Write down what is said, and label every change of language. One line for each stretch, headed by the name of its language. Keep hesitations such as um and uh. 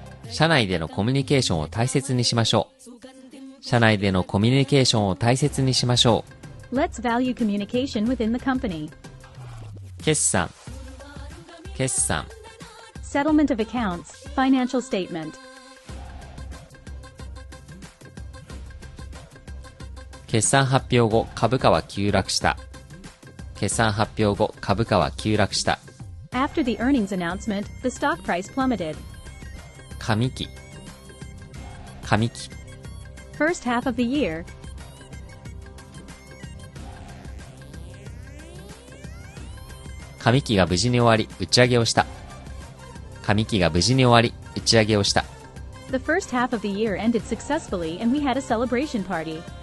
Japanese: しし社内でのコミュニケーションを大切にしましょう社内でのコミュニケーションを大切にしましょう
English: Let's value communication within the company
Japanese: 決算決算
English: Settlement of accounts, financial statement of
Japanese: 決算発表後株価は急落した決算発表後株価は急落した
English: After the earnings announcement, the stock price plummeted.
Japanese: 上期上期
English: First half of the year.
Japanese: 上期が無事に終わり、打ち上げをした。上期が無事に終わり、打ち上げをした。
English: The first half of the year ended successfully and we had a celebration party.